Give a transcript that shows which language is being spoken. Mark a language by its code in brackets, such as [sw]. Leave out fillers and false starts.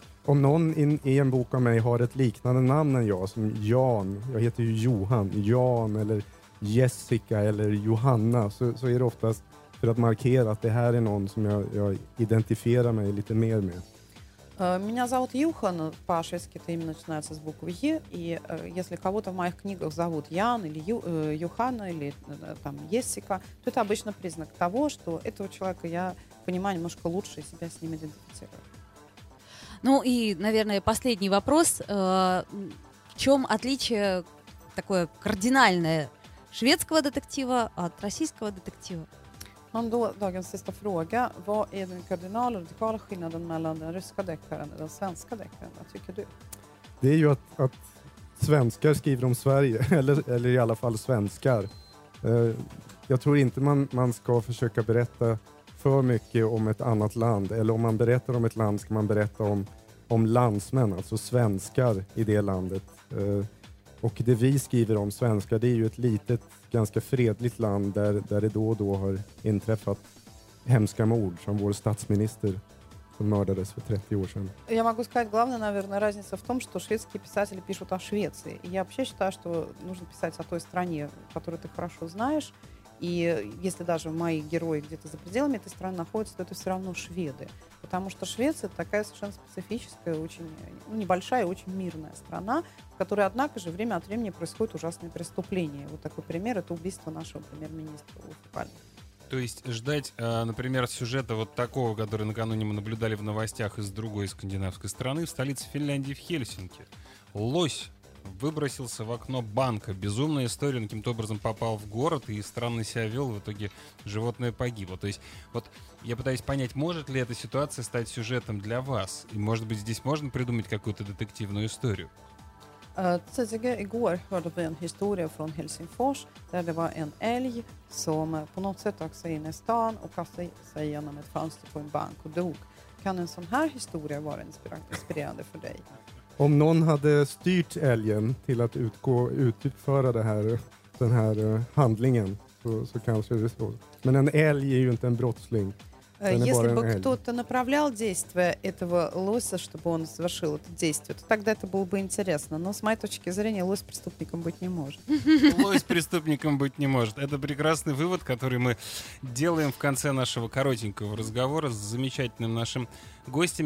[sv] Om någon i en bok av mig har ett liknande namn än jag, som Jan, jag heter ju Johan, Jan eller Jessica eller Johanna, så är det oftast för att markera att det här är någon som jag identifierar mig lite mer med. [ru] Меня зовут Юхан, по-шведски это имя начинается с буквы Е, и если кого-то в моих книгах зовут Ян или Юхана или там Ессика, то это обычно признак того, что этого человека я понимаю немножко лучше и себя с ним идентифицирую. Ну и, наверное, последний вопрос. В чем отличие такое кардинальное шведского детектива от российского детектива? [sv] Men då, dagens sista fråga. Vad är den kardinala och radikala skillnaden mellan den ryska deckaren och den svenska deckaren? Vad tycker du? Det är ju att svenskar skriver om Sverige, eller i alla fall svenskar. Jag tror inte man ska försöka berätta för mycket om ett annat land. Eller om man berättar om ett land ska man berätta om landsmän, alltså svenskar i det landet. Och det vi skriver om svenska, det är ju ett litet, ganska fredligt land där det då och då har inträffat hemska mord, som vår statsminister som mördades för 30 år sedan. Jag [ru] могу сказать, главная, наверное, разница в том, что шведские писатели пишут о Швеции. Я вообще считаю, что нужно писать о той стране, которую ты хорошо знаешь. И если даже мои герои где-то за пределами этой страны находятся, то это все равно шведы. Потому что Швеция – такая совершенно специфическая, очень, ну, небольшая и очень мирная страна, в которой, однако же, время от времени происходят ужасные преступления. Вот такой пример – это убийство нашего премьер-министра Улфа Пальма. То есть ждать, например, сюжета вот такого, который накануне мы наблюдали в новостях из другой скандинавской страны, в столице Финляндии, в Хельсинки. Лось выбросился в окно банка. Безумная история, он каким-то образом попал в город и странно себя вел, в итоге животное погибло. То есть, вот я пытаюсь понять, может ли эта ситуация стать сюжетом для вас? И, может быть, здесь можно придумать какую-то детективную историю? [sv] Tidigare igår hörde vi en historia från Helsingfors där det var en älg som på något sätt också in i stan och kastade sig genom ett fönster på en bank och dog. Kan en sån här historia vara inspirerande för dig? Om någon hade styrt älgen till att utföra det här, den här handlingen, så kanske det är så. Men en älg är ju inte en brottsling. [ru] Если бы кто-то направлял действие этого лося, чтобы он совершил это действие, то тогда это было бы интересно. Но с моей точки зрения, лось преступником быть не может. Лось преступником быть не может. Это прекрасный вывод, который мы делаем в конце нашего коротенького разговора с замечательным нашим гостем.